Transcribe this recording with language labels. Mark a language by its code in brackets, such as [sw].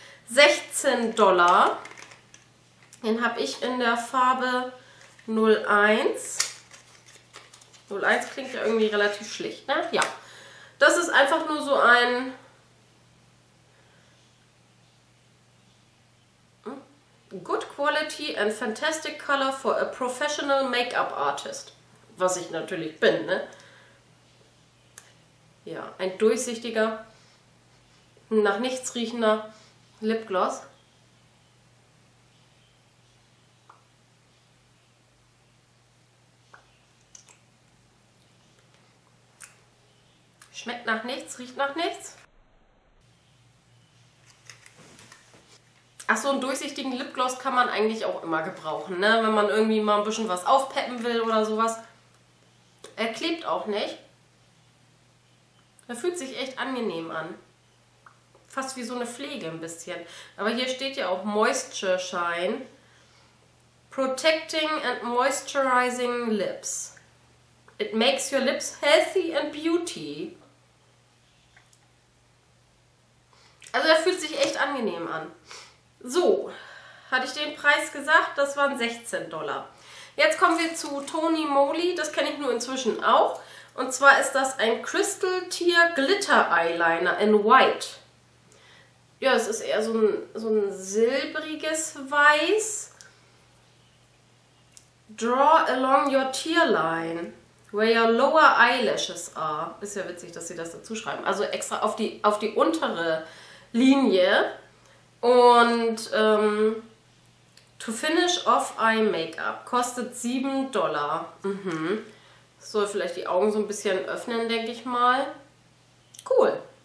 [de] 16 Dollar. Den habe ich in der Farbe 01. 01 klingt ja irgendwie relativ schlicht, ne? Ja. Das ist einfach nur so ein... [en] Good quality and fantastic color for a professional makeup artist. [de] Was ich natürlich bin, ne? Ja, ein durchsichtiger, nach nichts riechender Lipgloss. Schmeckt nach nichts, riecht nach nichts. Ach, so einen durchsichtigen Lipgloss kann man eigentlich auch immer gebrauchen, ne? Wenn man irgendwie mal ein bisschen was aufpeppen will oder sowas. Er klebt auch nicht. Er fühlt sich echt angenehm an. Fast wie so eine Pflege ein bisschen. Aber hier steht ja auch Moisture Shine. [en] Protecting and moisturizing lips. It makes your lips healthy and beauty. [de] Also er fühlt sich echt angenehm an. So, hatte ich den Preis gesagt, das waren 16 Dollar. Jetzt kommen wir zu Tony Moly, das kenne ich nur inzwischen auch. Und zwar ist das ein Crystal Tear Glitter Eyeliner in White. Ja, es ist eher so ein silbriges Weiß. [en] Draw along your tear line, where your lower eyelashes are. [de] Ist ja witzig, dass sie das dazu schreiben. Also extra auf die untere Linie. Und [en] to finish off eye makeup [de] kostet 7 Dollar. [en] Mhm. [de] Soll vielleicht die Augen so ein bisschen öffnen, denke ich mal. Cool.